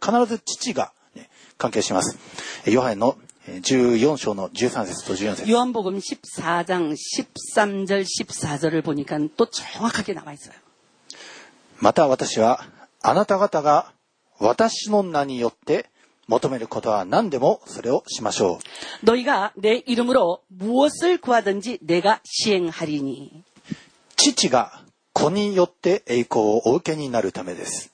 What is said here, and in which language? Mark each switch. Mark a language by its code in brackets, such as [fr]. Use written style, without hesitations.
[ja] くださる方は父です。ですから、くださる方は父、今言われた通りです。この何か求めるとするとき、イエスの名前によって父に求めるならば、それが与えられる、ね、これですね、このヨハネの14章の13節、14節でも同じです。必ずですね、父が関係するんですね。くださるということ。祈り求めたら何かくださるというところには必ず父が、ね、関係します。ヨハネの14章の13節と14節。 [ko] ヨハン복음14章13절14절을 보니까 또 정확하게 나와 있어요. [ja] また私はあなた方が私の名によって求めることは何でもそれをしましょう。 [ko] 너희가내이름으로무엇을구하든지내가시행하리니。 [ja] 父が子によって栄光をお受けになるためです。